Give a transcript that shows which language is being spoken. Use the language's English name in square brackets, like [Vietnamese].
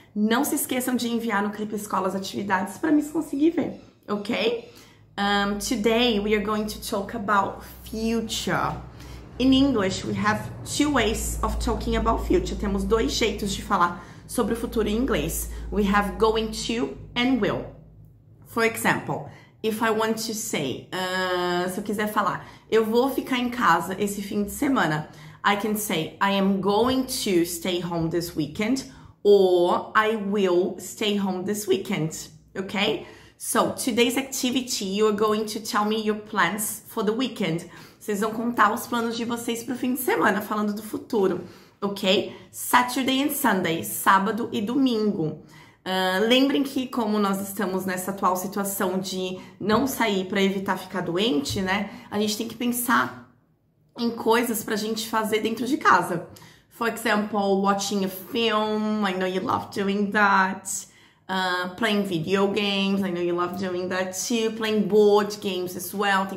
[Portuguese] Não se esqueçam de enviar no Clipe Escola as atividades para me conseguir ver, ok? [English] Today we are going to talk about future. In English, we have two ways of talking about future. [Portuguese] Temos dois jeitos de falar sobre o futuro em inglês. [English] We have going to and will. For example, if I want to say, [Portuguese] se eu quiser falar, eu vou ficar em casa esse fim de semana, [English] I can say, I am going to stay home this weekend, or I will stay home this weekend. Okay? So, today's activity, you are going to tell me your plans for the weekend. [Portuguese] Vocês vão contar os planos de vocês para o fim de semana, falando do futuro. Ok? [English] Saturday and Sunday, [Portuguese] sábado e domingo. Lembrem que, como nós estamos nessa atual situação de não sair para evitar ficar doente, né? A gente tem que pensar em coisas para a gente fazer dentro de casa. [English] For example, watching a film, I know you love doing that. Playing video games, I know you love doing that too. Playing board games as well.